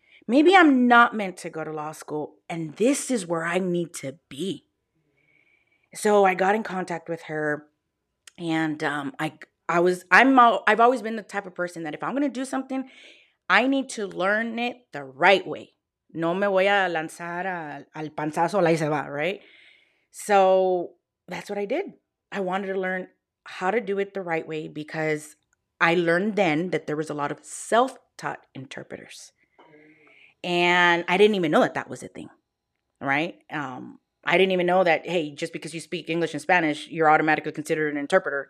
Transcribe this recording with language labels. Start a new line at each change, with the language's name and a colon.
English: Maybe I'm not meant to go to law school, and this is where I need to be. So I got in contact with her, and I've always been the type of person that if I'm going to do something, I need to learn it the right way.
Spanish: No me voy a lanzar al panzazo, la y se va, right?
English: So that's what I did. I wanted to learn how to do it the right way because I learned then that there was a lot of self-taught interpreters. And I didn't even know that that was a thing, right? I didn't even know that, hey, just because you speak English and Spanish, you're automatically considered an interpreter.